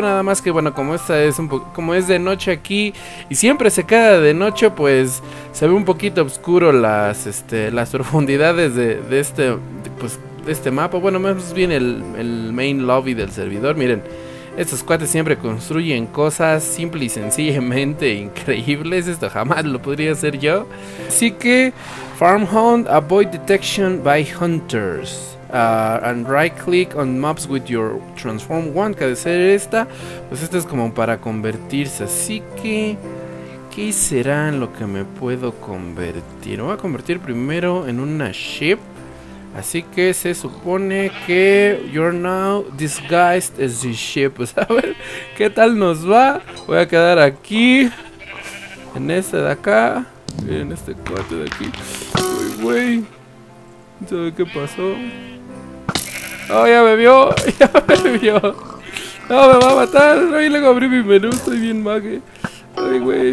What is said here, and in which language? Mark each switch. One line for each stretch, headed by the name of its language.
Spanish: Nada más que, bueno, como esta es un poco, como es de noche aquí y siempre se queda de noche, pues se ve un poquito oscuro las profundidades de este mapa. Bueno, más bien el main lobby del servidor. Miren, estos cuates siempre construyen cosas simple y sencillamente increíbles. Esto jamás lo podría hacer yo. Así que
English: Farm Hunt, avoid detection by hunters. And right click on mobs with your transform wand.
Spanish: Que ha de ser esta. Pues esta es como para convertirse. Así que, ¿qué será en lo que me puedo convertir? Me voy a convertir primero en una ship. Así que se supone que
English: you're now disguised as a ship.
Spanish: Pues a ver qué tal nos va. Voy a quedar aquí en este de acá, en este cuate de aquí. Uy, güey. ¿Sabes qué pasó? ¡Oh, ya me vio! ¡Ya me vio! ¡No, me va a matar! ¡Ay, luego abrí mi menú! ¡Estoy bien mague! ¡Ay, güey!